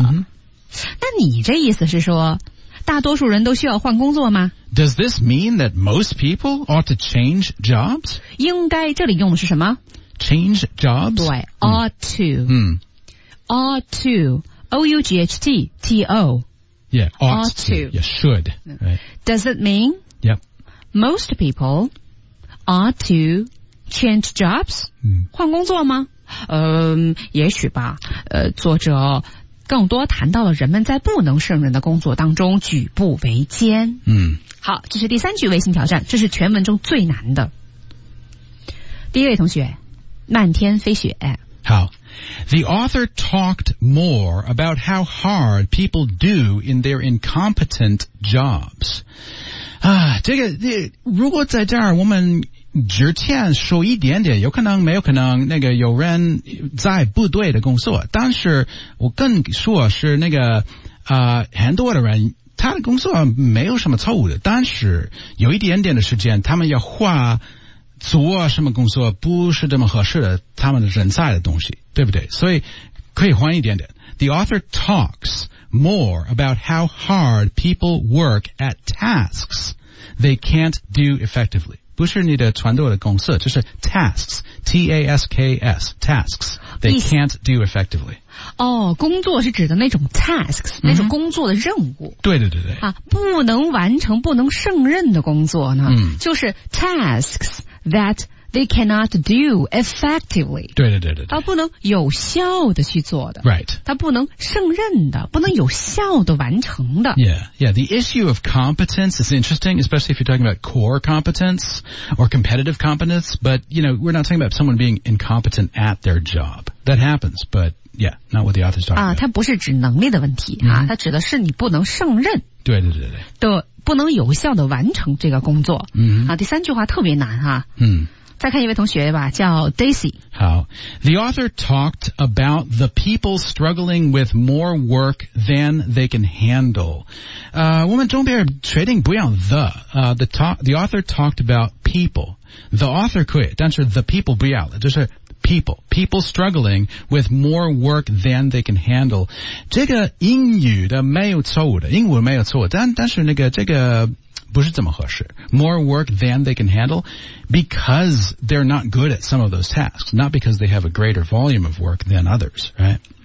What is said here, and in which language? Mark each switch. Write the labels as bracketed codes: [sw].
[zh] 那你这意思是说大多数人都需要换工作吗 [en] Does this mean that most people ought to change jobs? [zh] 应该这里用的是什么 [en] Change jobs? [zh] 对 [en] ,ought to.、Ought to. O-U-G-H-T-T-O. Yeah, ought to. Yeah, should.、 Does it mean? Most people ought to change jobs?、 [zh] 换工作吗也许吧作者更多谈到了人们在不能胜任的工作当中举步维艰。好这是第三句微信挑战这是全文中最难的。第一位同学漫天飞雪。好 [en] ,The author talked more about how hard people do in their incompetent jobs. [zh] 啊，这个这如果在这儿我们之前说一点点，有可能没有可能那个有人在部队的工作，但是我更说是那个很多的人他的工作没有什么错误的，但是有一点点的时间他们要画做什么工作不是这么合适的他们人在的东西，对不对？所以可以换一点点。 [en] The author talks more about how hard people work at tasks they can't do effectively. [zh] 不是你的传统的公司，就是 tasks, T-A-S-K-S, [en] tasks they can't do effectively. [zh] 哦，工作是指的那种 tasks,、嗯、那种工作的任务。对对对对。啊，不能完成、不能胜任的工作呢，嗯、就是 [en] tasks that they cannot do effectively. [zh] 对对对对。他不能有效的去做的。 [en] Right. [zh] 他不能胜任的，不能有效的完成的。 [en] Yeah, yeah. The issue of competence is interesting, especially if you're talking about core competence or competitive competence. But, you know, we're not talking about someone being incompetent at their job. That happens, but yeah, not what the author's talking about. [zh] 他不是指能力的问题、mm-hmm. 啊，他指的是你不能胜任。对对对对。的不能有效的完成这个工作。嗯、mm-hmm. 啊。第三句话特别难哈、啊。嗯、 mm.。 再看一位同学吧，叫 Daisy。好。 [en] The author talked about the people struggling with more work than they can handle. [zh] 我们中边确定不要 [en] the author talked about people. The author [zh] 可以，但是 [en] the people [zh] 不要了，就是 people. [en] People struggling with more work than they can handle. [zh] 这个英语的没有错误的，英文没有错误，但是那个这个不是这么合适。 [en] More work than they can handle because they're not good at some of those tasks, not because they have a greater volume of work than others, right?